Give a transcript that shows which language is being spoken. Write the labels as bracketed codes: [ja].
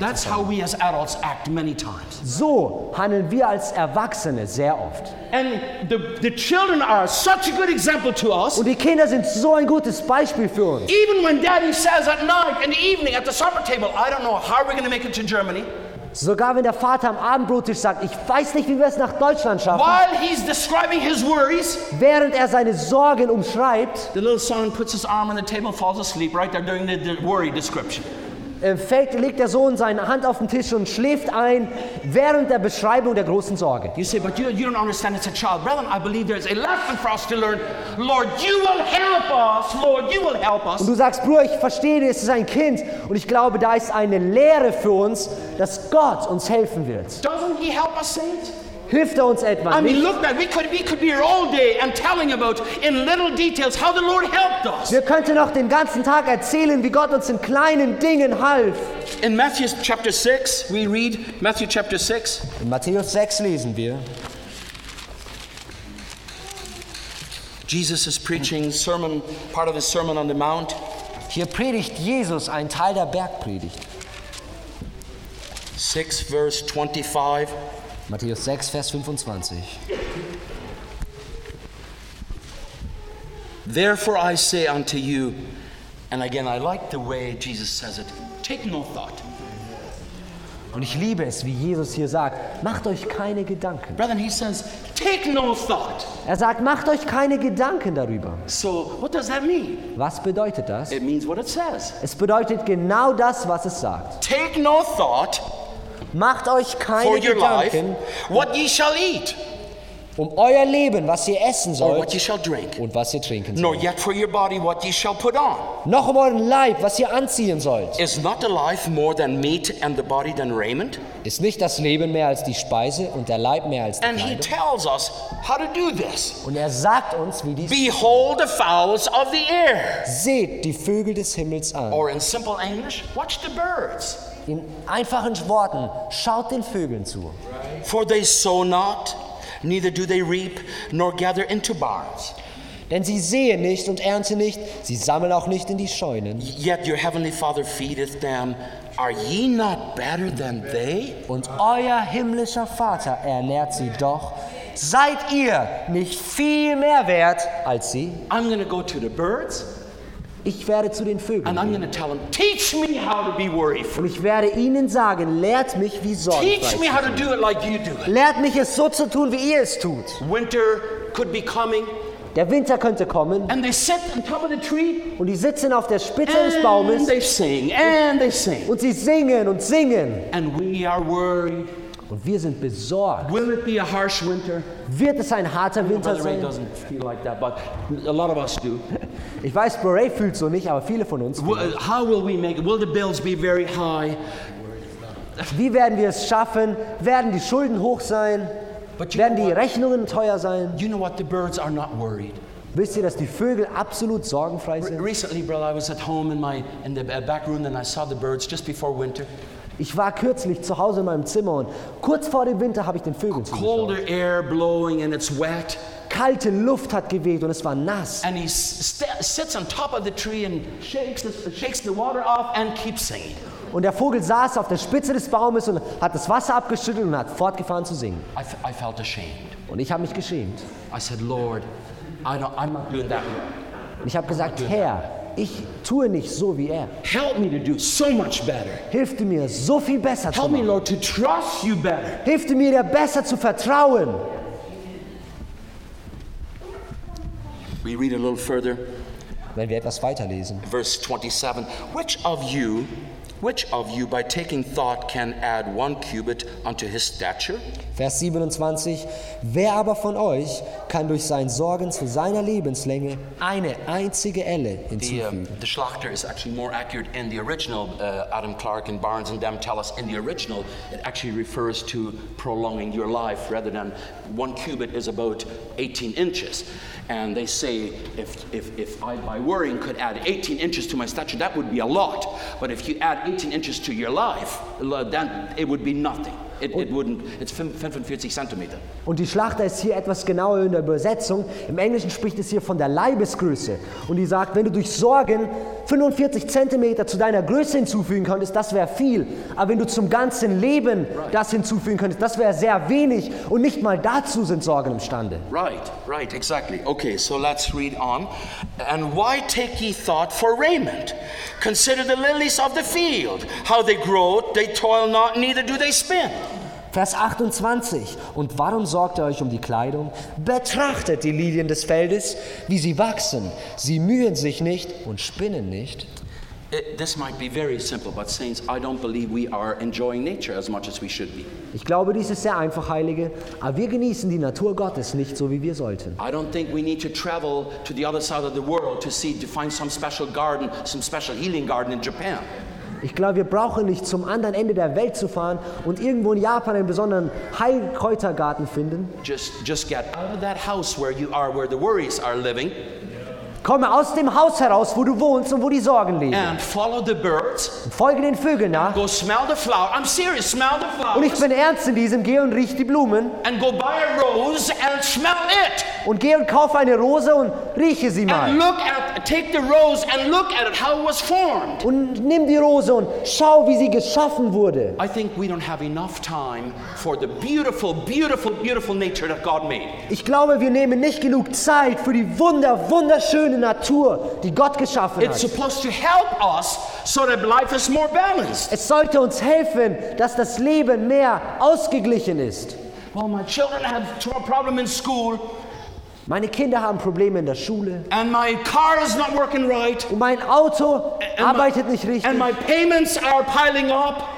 [en] That's how we as adults act many times. [de] So handeln wir als Erwachsene sehr oft. [en] And the children are such a good example to us. [de] Und die Kinder sind so ein gutes Beispiel für uns. [en] Even when Daddy says at night, in the evening, at the supper table, I don't know how we're going to make it to Germany. [de] Sogar wenn der Vater am Abendbrottisch sagt, ich weiß nicht, wie wir es nach Deutschland schaffen. [en] While he's describing his worries, [de] während er seine Sorgen umschreibt, [en] the little son puts his arm on the table and falls asleep right there during the worry description. [de] Legt der Sohn seine Hand auf den Tisch und schläft ein während der Beschreibung der großen Sorge. [en] You say, but you don't understand, it's a child. Brethren, I believe there's a lesson for us to learn. Lord, you will help us. Lord, you will help us. [de] Und du sagst, Bruder, ich verstehe, es ist ein Kind und ich glaube, da ist eine Lehre für uns, dass Gott uns helfen wird. [en] Doesn't he help us, saints? [de] hilft er uns etwa. [en] I mean, look, man, we could be here all day and telling about in little details how the Lord helped us. [de] Wir könnten noch den ganzen Tag erzählen, wie Gott uns in kleinen Dingen half. [en] In Matthew chapter 6, we read Matthew chapter 6. [de] In Matthäus 6 lesen wir. [en] Jesus is preaching sermon, part of his Sermon on the Mount. [de] Hier predigt Jesus einen Teil der Bergpredigt. [en] 6 verse 25. [de] Matthäus 6 Vers 25. [en] Therefore I say unto you, and again I like the way Jesus says it. Take no thought. [de] Und ich liebe es, wie Jesus hier sagt, macht euch keine Gedanken. [en] Brethren, he says, take no thought. [de] Er sagt, macht euch keine Gedanken darüber. [en] So, what does that mean? [de] Was bedeutet das? [en] It means what it says. [de] Es bedeutet genau das, was es sagt. [en] Take no thought. [de] Macht euch keine [en] for your [de] Gedanken. [en] Life, what ye shall eat. [de] Um euer Leben, was ihr essen sollt, [en] or what ye shall drink. [de] Und was ihr trinken sollt. [en] Nor yet for your body what ye shall put on. [de] Noch um euren Leib, was ihr anziehen sollt. [en] Is not the life more than meat and the body than raiment? [de] Ist nicht das Leben mehr als die Speise und der Leib mehr als die Kleidung? [en] And he tells us how to do this. [de] Und er sagt uns, wie dies. [en] Behold the fowls of the air. [de] Seht die Vögel des Himmels an. [en] Or in simple English, watch the birds. [de] In einfachen Worten, schaut den Vögeln zu. [en] For they sow not, neither do they reap nor gather into barns. [de] Denn sie säen nicht und ernten nicht, sie sammeln auch nicht in die Scheunen. [en] Yet your heavenly Father feedeth them. Are ye not better than they? [de] Und euer himmlischer Vater ernährt sie doch. Seid ihr nicht viel mehr wert als sie? [en] I'm going to go to the birds. [de] Ich werde zu den Vögeln. [en] And I'm going to tell them, teach me how to be worry-free. [de] Und ich werde ihnen sagen, lehrt mich, wie sorgfrei. [en] Teach me how to do it like you do it. [de] Lehrt mich, es so zu tun, wie ihr es tut. [en] Winter could be coming. [de] Der Winter könnte kommen. [en] And they sit on top of the tree. [de] Und die sitzen auf der Spitze des Baumes. [en] And they sing. And they sing. [de] Und sie singen und singen. [en] And we are worried. [de] Und wir sind besorgt. [en] Will it be a harsh winter? [de] Wird es ein harter Winter sein? [en] Brother Ray doesn't feel like that, but a lot of us do. [de] Ich weiß, Brother Ray fühlt so nicht, aber viele von uns. [en] How will we make it? Will the bills be very high? [de] Wie werden wir es schaffen? Werden die Schulden hoch sein? Werden die Rechnungen teuer sein? [en] You know what? The birds are not worried. [de] Wisst ihr, dass die Vögel absolut sorgenfrei sind? [en] Recently, brother, I was at home in the back room and I saw the birds just before winter. [de] Ich war kürzlich zu Hause in meinem Zimmer und kurz vor dem Winter habe ich den Vögeln zugeschaut. [en] Colder air blowing and it's wet. [de] Kalte Luft hat geweht und es war nass. [en] And he sits on top of the tree and shakes the water off and keeps singing. [de] Und der Vogel saß auf der Spitze des Baumes und hat das Wasser abgeschüttelt und hat fortgefahren zu singen. [en] I felt ashamed. [de] Und ich habe mich geschämt. [en] I said, Lord, I'm not doing that. [de] Und ich habe gesagt, Herr, ich tue nicht so wie er. [en] Help me to do so much better. [de] Hilf mir so viel besser zu machen. [en] Help me, Lord, to trust you better. [de] Hilf mir, dir besser zu vertrauen. [en] We read a little further. [de] Wenn wir etwas weiterlesen. [en] Verse 27. Which of you, by taking thought, can add one cubit unto his stature? [de] Vers 27. Wer aber von euch kann durch sein Sorgen zu seiner Lebenslänge eine einzige Elle hinzufügen? [en] The Schlachter is actually more accurate in the original. Adam Clark and Barnes and them tell us in the original it actually refers to prolonging your life rather than one cubit is about 18 inches. And they say if I by worrying could add 18 inches to my stature, that would be a lot. But if you add 18 inches to your life, then it would be nothing. It's 45 Zentimeter. [de] Und die Schlachter ist hier etwas genauer in der Übersetzung. Im Englischen spricht es hier von der Leibesgröße. Und die sagt, wenn du durch Sorgen 45 Zentimeter zu deiner Größe hinzufügen könntest, das wäre viel. Aber wenn du zum ganzen Leben das hinzufügen könntest, das wäre sehr wenig. Und nicht mal dazu sind Sorgen imstande. [en] Right, right, exactly. Okay, so let's read on. And why take ye thought for raiment? Consider the lilies of the field, how they grow, they toil not, neither do they spin. [de] Vers 28. Und warum sorgt ihr euch um die Kleidung? Betrachtet die Lilien des Feldes, wie sie wachsen. Sie mühen sich nicht und spinnen nicht. [en] This might be very simple, but saints, I don't believe we are enjoying nature as much as we should be. [de] Ich glaube, dies ist sehr einfach, Heilige, aber wir genießen die Natur Gottes nicht so, wie wir sollten. [en] I don't think we need to travel to the other side of the world to find some special garden, some special healing garden in Japan. [de] Ich glaube, wir brauchen nicht zum anderen Ende der Welt zu fahren und irgendwo in Japan einen besonderen Heilkräutergarten finden. [en] Just get out of that house where you are, where the worries are living. [de] Komme aus dem Haus heraus, wo du wohnst und wo die Sorgen leben. [en] And follow the birds. [de] Folge den Vögeln nach. [en] Go smell the flower. I'm serious. Smell the flowers. [de] Und ich bin ernst in diesem. Geh und riech die Blumen. [en] And go buy a rose and smell it. [de] Und geh und kaufe eine Rose und rieche sie mal. [en] And look at, take the rose and look at it, how it was formed. [de] Und nimm die Rose und schau, wie sie geschaffen wurde. [en] I think we don't have enough time for the beautiful, beautiful, beautiful nature that God made. [de] Ich glaube, wir nehmen nicht genug Zeit für die wunderschöne Natur, die Gott geschaffen hat. [en] It's supposed to help us so that life is more balanced. [de] Es sollte uns helfen, dass das Leben mehr ausgeglichen ist. [en] Well, my children have a problem in school. [de] Meine Kinder haben Probleme in der Schule. [en] And my car is not working right. [de] Und mein Auto arbeitet nicht richtig. [en] And my payments are piling up.